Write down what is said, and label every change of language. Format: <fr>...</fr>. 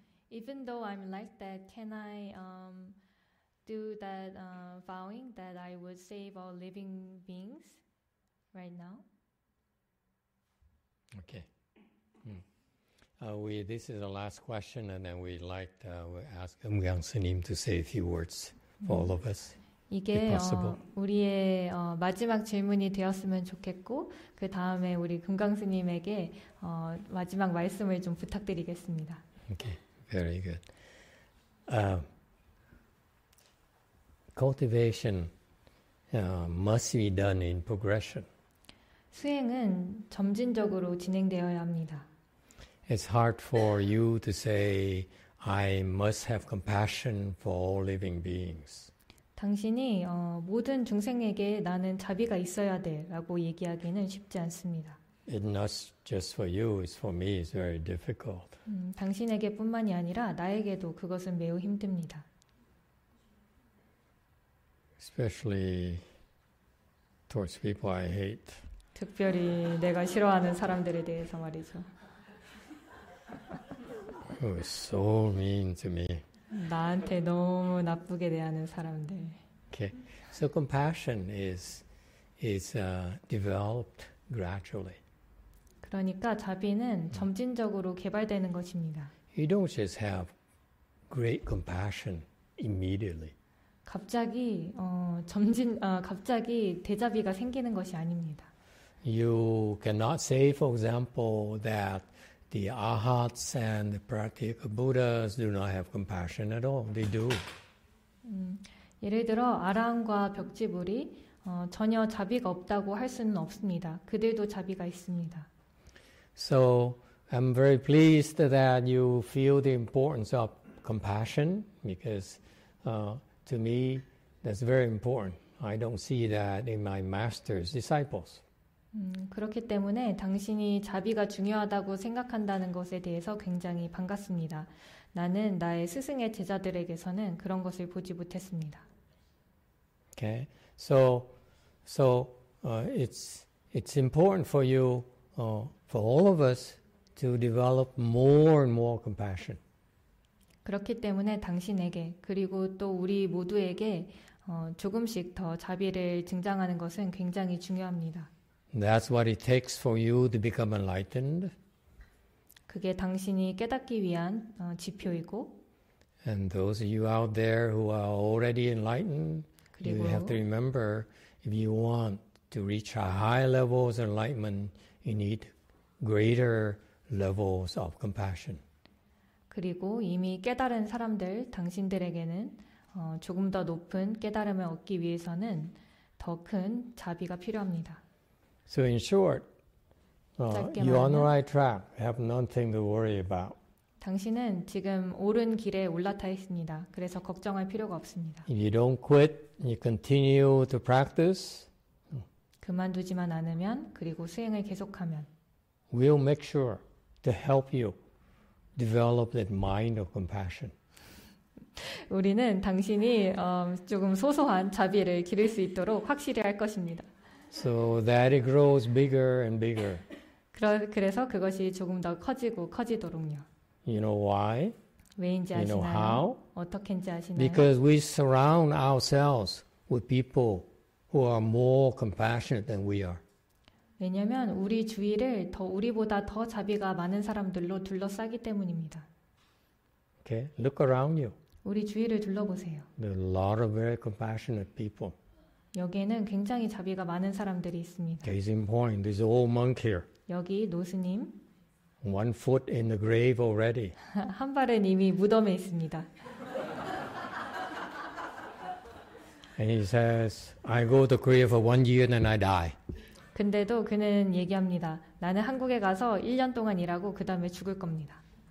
<en>Even though I'm like that, can I do that vowing that I would save all living beings right now? Okay. This is the last question, and then we'd like to ask Eumgyang Sunim to say a few words for all of us.</en> <ko>이게 우리의 마지막 질문이 되었으면 좋겠고 그 다음에 우리 금강 스님에게 마지막 말씀을 좀 부탁드리겠습니다.</ko> <en>Okay, very good. Cultivation must be done in progression.</en> <ko>수행은 점진적으로 진행되어야 합니다.</ko> <en>It's hard for you to say I must have compassion for all living beings.</en> <ko>당신이 모든 중생에게 나는 자비가 있어야 돼라고 얘기하기는 쉽지 않습니다.</ko> <en>It's not just for you, it's for me, it's very difficult.</en> <ko>당신에게뿐만이 아니라 나에게도 그것은 매우 힘듭니다.</ko> <en>Especially towards people I hate.</en> <ko>특별히 내가 싫어하는 사람들에 대해서 말이죠.</ko> <en>Who is so mean to me.</en> <ko>나한테 너무 나쁘게 대하는 사람들.</ko> <en>Okay. So compassion is developed gradually.</en> <ko>그러니까 자비는 점진적으로 개발되는 것입니다.</ko> <en>You don't just have great compassion immediately.</en> <ko>갑자기 갑자기 대자비가 생기는 것이 아닙니다.</ko> <en>You cannot say, for example, that the arhats and the practical Buddhas do not have compassion at all. They do.</en> <ko>예를 들어 아라함과 벽지불이 전혀 자비가 없다고 할 수는 없습니다. 그들도 자비가 있습니다.</ko> <en>So I'm very pleased that you feel the importance of compassion because to me that's very important. I don't see that in my master's disciples.</en> <ko>그렇기 때문에 당신이 자비가 중요하다고 생각한다는 것에 대해서 굉장히 반갑습니다. 나는 나의 스승의 제자들에게서는 그런 것을 보지 못했습니다.</ko> <en>Okay. So it's important for you for all of us to develop more and more compassion.</en> <ko>그렇기 때문에 당신에게 그리고 또 우리 모두에게 조금씩 더 자비를 증장하는 것은 굉장히 중요합니다.</ko> <en>That's what it takes for you to become enlightened.</en> <ko>그게 당신이 깨닫기 위한 지표이고.</ko> <en>And those of you out there who are already enlightened, you have to remember if you want to reach a high level of enlightenment, you need greater levels of compassion.</en> <ko>그리고 이미 깨달은 사람들, 당신들에게는 조금 더 높은 깨달음을 얻기 위해서는 더 큰 자비가 필요합니다.</ko> <en>So in short, you're on the right track. Have nothing to worry about.</en> <ko>당신은 지금 옳은 길에 올라타 있습니다. 그래서 걱정할 필요가 없습니다.</ko> <en>If you don't quit, you continue to practice.</en> <ko>그만두지만 않으면 그리고 수행을 계속하면.</ko> <en>We'll make sure to help you develop that mind of compassion.</en> <ko>우리는 당신이 조금 소소한 자비를 기를 수 있도록 확실히 할 것입니다.</ko> <en>So that it grows bigger and bigger.</en> <ko>그래서 그것이 조금 더 커지고 커지도록요.</ko> <en>You know why?</en> <ko>왜인지</ko> <en>you</en> <ko>아시나요?</ko> <en>Know how?</en> <ko>어떻게인지 아시나요?</ko> <en>Because we surround ourselves with people who are more compassionate than we are.</en> <ko>왜냐면 우리 주위를 더 우리보다 더 자비가 많은 사람들로 둘러싸기 때문입니다.</ko> <en>Okay, look around you.</en> <ko>우리 주위를 둘러보세요.</ko> <en>There are a lot of very compassionate people.</en> <ko>여기에는 굉장히 자비가 많은 사람들이 있습니다.</ko> <en>Case in point, this old monk here.</en> <ko>여기 노스님.</ko> <en>One foot in the grave already.</en> <ko>한 발은 이미 무덤에 있습니다.</ko> <en>And he says, I go to Korea for 1 year and I die.</en> <ko>근데도 그는 얘기합니다. 나는 한국에 가서 1년 동안 일하고 그 다음에 죽을 겁니다.</ko>